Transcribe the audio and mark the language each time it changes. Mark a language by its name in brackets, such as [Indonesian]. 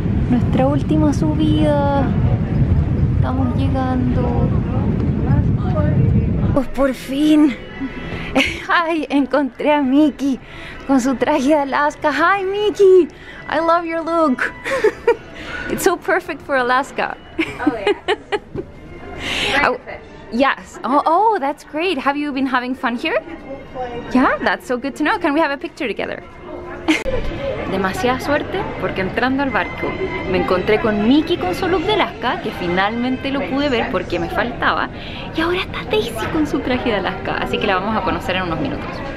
[Spanish] Nuestra última subida. Estamos llegando. Pues por fin. Ay, encontré a Mickey con su traje de Alaska. [English] Hi, Mickey. I love your look. It's so perfect for Alaska. Oh, yeah. Yes. Oh, that's great. Have you been having fun here? Yeah, that's so good to know. Can we have a picture together? [Spanish] Demasiada suerte, porque entrando al barco me encontré con Mickey con su look de Alaska, que finalmente lo pude ver porque me faltaba. Y ahora está Daisy con su traje de Alaska, así que la vamos a conocer en unos minutos.